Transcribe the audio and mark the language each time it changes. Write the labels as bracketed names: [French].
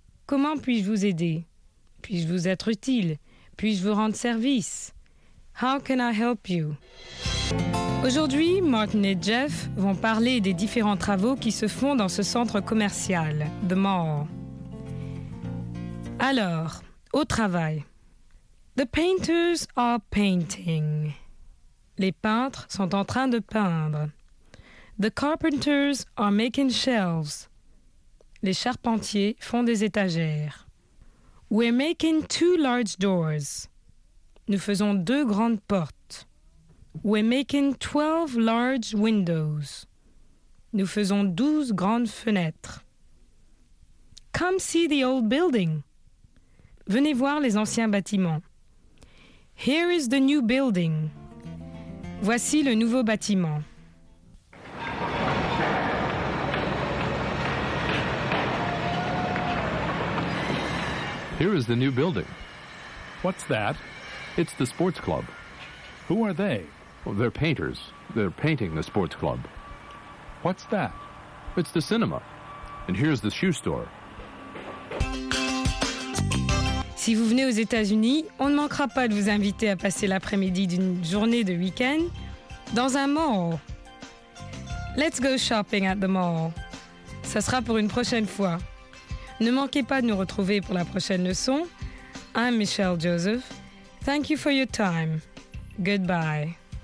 [French] Comment puis-je vous aider? Puis-je vous être utile? Puis-je vous rendre service? [English] How can I help you? [French] Aujourd'hui, Martin et Jeff vont parler des différents travaux qui se font dans ce centre commercial, The Mall. Alors, au travail. [English] The painters are painting. [French] Les peintres sont en train de peindre. [English] The carpenters are making shelves. [French] Les charpentiers font des étagères. [English] We're making two large doors. [French] Nous faisons deux grandes portes. [English] We're making 12 large windows. [French] Nous faisons 12 grandes fenêtres. [English] Come see the old building. [French] Venez voir les anciens bâtiments. [English] Here is the new building. [French] Voici le nouveau bâtiment. [English] Here is the new building. What's that? It's the sports club. Who are they? Well, they're painters. They're painting the sports club. What's that? It's the cinema. And here's the shoe store. [French] Si vous venez aux États-Unis, on ne manquera pas de vous inviter à passer l'après-midi d'une journée de week-end dans un mall. [English] Let's go shopping at the mall. [French] Ça sera pour une prochaine fois. Ne manquez pas de nous retrouver pour la prochaine leçon. [English] I'm Michelle Joseph. Thank you for your time. Goodbye.